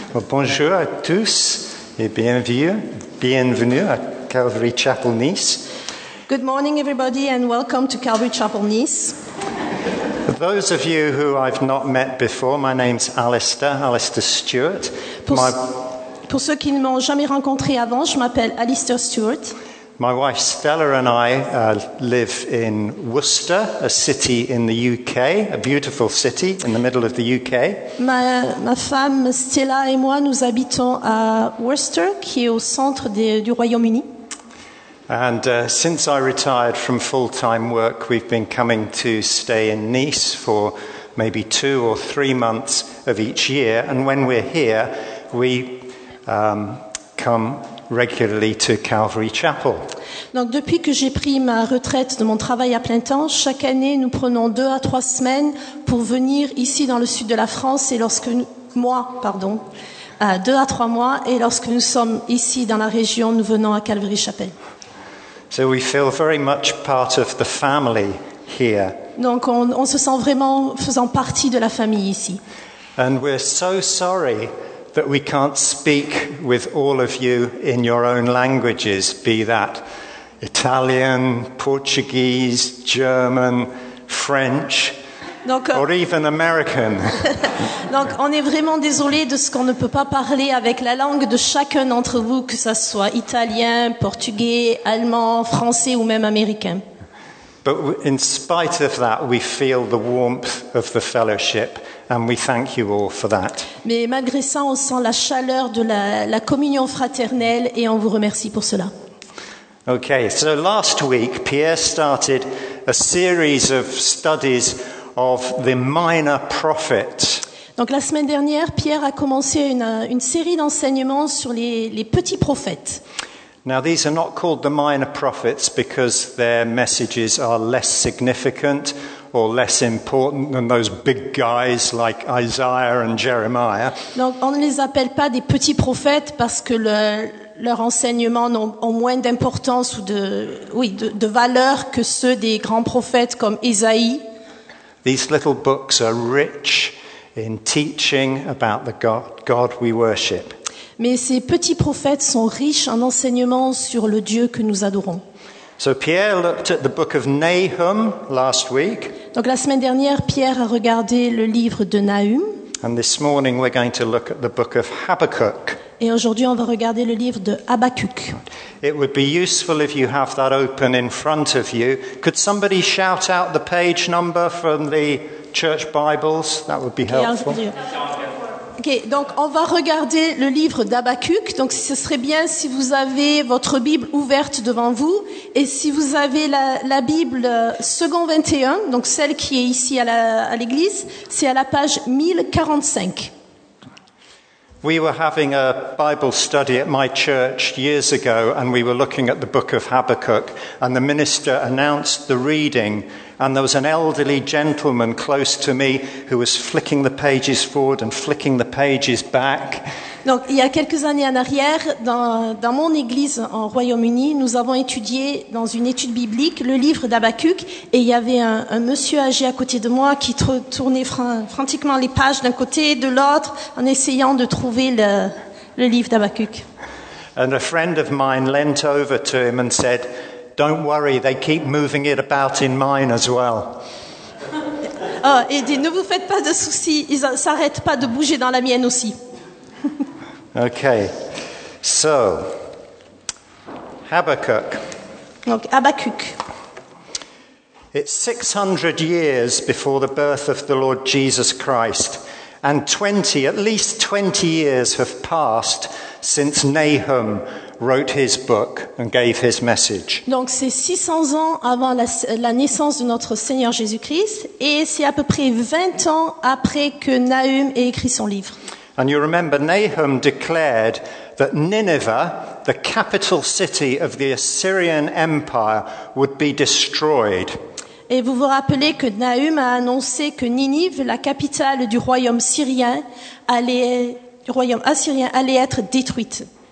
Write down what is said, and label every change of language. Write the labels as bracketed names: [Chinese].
[French] Bonjour à tous et bienvenue à Calvary Chapel Nice. [English] Good morning, everybody, and welcome to Calvary Chapel Nice. Those of you who I've not met before, my name's Alistair Stewart. [French] Pour ceux qui ne m'ont jamais rencontré avant, je m'appelle Alistair Stewart. [English] My wife Stella and I live in Worcester, a city in the UK, a beautiful city in the middle of the UK. [French] Ma femme Stella et moi, nous habitons à Worcester, qui est au centre du Royaume-Uni. [English] And since I retired from full-time work, we've been coming to stay in Nice for maybe 2 or 3 months of each year. And when we're here, we come regularly to Calvary Chapel. [French] Donc depuis que j'ai pris ma retraite de mon travail à plein temps, chaque année nous prenons 2 à 3 semaines pour venir ici dans le sud de la France et lorsque nous, moi, pardon, 2 à 3 mois et lorsque nous sommes ici dans la région, nous venons à Calvary Chapel. [English] So we feel very much part of the family here. [French] Donc on se sent vraiment faisant partie de la famille ici. [English] And we're so sorry that we can't speak with all of you in your own languages, be that Italian, Portuguese, German, French, or even American. [French] Donc on est vraiment désolé de ce qu'on ne peut pas parler avec la langue de chacun d'entre vous, que ça soit italien, portugais, allemand, français ou même américain. [English] But in spite of that, we feel the warmth of the fellowship, and we thank you all for that. [French] Mais malgré ça, on sent la chaleur de la communion fraternelle, et on vous remercie pour cela. [English] Okay, so last week, Pierre started a series of studies of the minor prophets. [French] Donc la semaine dernière, Pierre a commencé une série d'enseignements sur les petits prophètes. [English] Now these are not called the minor prophets because their messages are less significant or less important than those big guys like Isaiah and Jeremiah. [French] Donc on ne les appelle pas des petits prophètes parce que leurs enseignements ont moins d'importance ou de valeur que ceux des grands prophètes comme Isaïe. [English] These little books are rich in teaching about the God we worship. [French] Mais ces petits prophètes sont riches en enseignements sur le Dieu que nous adorons. [English] So Pierre looked at the book of Nahum last week. [French] Donc la semaine dernière, Pierre a regardé le livre de Nahum. [English] And this morning we're going to look at the book of Habakkuk. [French] Et aujourd'hui, on va regarder le livre de Habakkuk. [English] It would be useful if you have that open in front of you. Could somebody shout out the page number from the church Bibles? That would be helpful. [French] Okay, donc on va regarder le livre d'Habakkuk. Donc ce serait bien si vous avez votre Bible ouverte devant vous et si vous avez la Bible second 21, donc celle qui est ici à l'église, c'est à la page 1045. [English] We were having a Bible study at my church years ago and we were looking at the book of Habakkuk and the minister announced the reading. And there was an elderly gentleman close to me who was flicking the pages forward and flicking the pages back. [French] Donc, il y a quelques années en arrière, dans mon église en Royaume-Uni, nous avons étudié dans une étude biblique le livre d'Habakkuk et il y avait un monsieur âgé à côté de moi qui tournait frantiquement les pages d'un côté et de l'autre en essayant de trouver le livre d'Habakkuk. [English] And a friend of mine leant over to him and said, "Don't worry, they keep moving it about in mine as well." [French] Oh, et dit, ne vous faites pas de soucis, ils s'arrêtent pas de bouger dans la mienne aussi. [English] Okay, so Habakkuk. [French] Donc Habakkuk. [English] It's 600 years before the birth of the Lord Jesus Christ, and at least 20 years have passed since Nahum wrote his book and gave his message. [French] Donc c'est 600 ans avant la naissance de notre Seigneur Jésus-Christ et c'est à peu près 20 ans après que Nahum ait écrit son livre. [English] And you remember Nahum declared that Nineveh, the capital city of the Assyrian Empire, would be destroyed. [French] Et vous vous rappelez que Nahum a annoncé que Ninive, la capitale du royaume syrien, allait être détruite.